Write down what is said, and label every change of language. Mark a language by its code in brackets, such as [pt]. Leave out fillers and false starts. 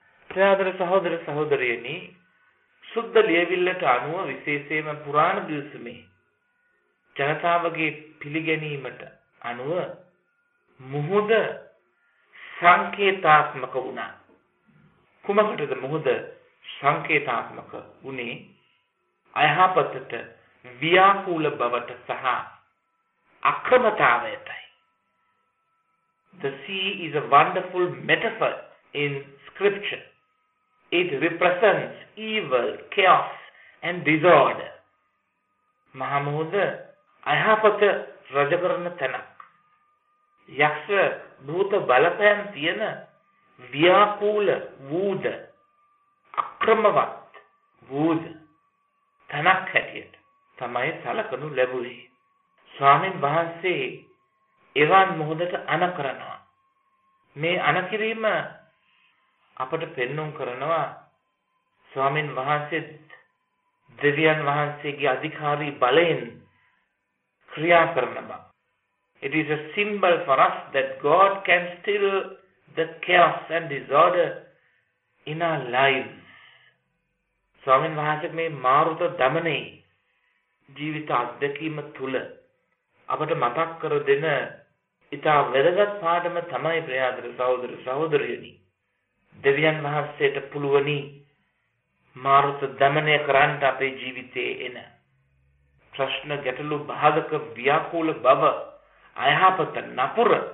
[si] ප්‍රියදර සහෝදර සහෝදරියනි, සුද්ධ ලියවිල්ලට අනුව විශේෂයෙන්ම පුරාණ දිවසමේ ජනතාවගේ පිළිගැනීමට අනුව මුහුද සංකේතාත්මක වුණා. කුමකටද මුහුද සංකේතාත්මක වුණේ? අයහපතට ව්‍යාකූල බවට සහ අක්‍රමතාවයටයි. [en] The sea is a wonderful metaphor in scripture. It represents evil, chaos and disorder. [si] මහමුහුද අයහපත රජකරන තැනක්. යක්ෂ භූත බලපෑම් තියෙන ව්‍යාකූල වූද, අක්‍රමවත් වූද තැනක් හැටියට තමයි සලකනු ලැබුවේ. ස්වාමීන් වහන්සේ එවන් මොහොතට අණ කරනවා. මේ අණ කිරීම අපට පෙන්නුම් කරනවා ස්වාමීන් වහන්සේ දෙවියන් වහන්සේගේ අධිකාරී බලයෙන් ක්‍රියා කරන බව. [en] It is a symbol for us that God can still the chaos and disorder in our lives. [si] ස්වාමීන් වහන්සේ මේ මාරුත දමනේ ජීවිත අධ්‍යක්ීම තුල අපට මතක් කර දෙන ඉතා වැදගත් පාඩම තමයි ප්‍රියදර සහෝදර සහෝදරියනි, දෙවියන් වහන්සේට පුළුවනි මාරුත දමනය කරන්න අපේ ජීවිතයේ එන ප්‍රශ්න ගැටලු බාධක ව්‍යාකූල බව අයහපත නපුර